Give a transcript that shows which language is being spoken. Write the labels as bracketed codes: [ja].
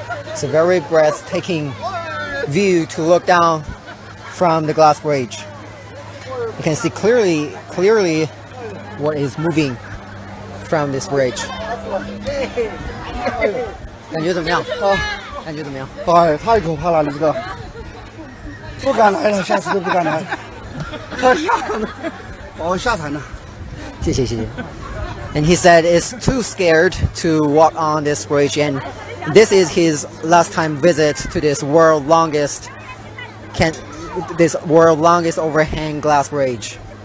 [en] It's a very breathtaking view to look down from the glass bridge. You can see clearly what is moving from this bridge. [zh] 感觉怎么样？感觉怎么样？哎，太可怕了，你这个，不敢来了，下次都不敢来，太吓人了，把我吓惨了。谢谢谢谢。 [en] And he said it's too scared to walk on this bridge, and this is his last time visit to this world longest, overhang glass bridge.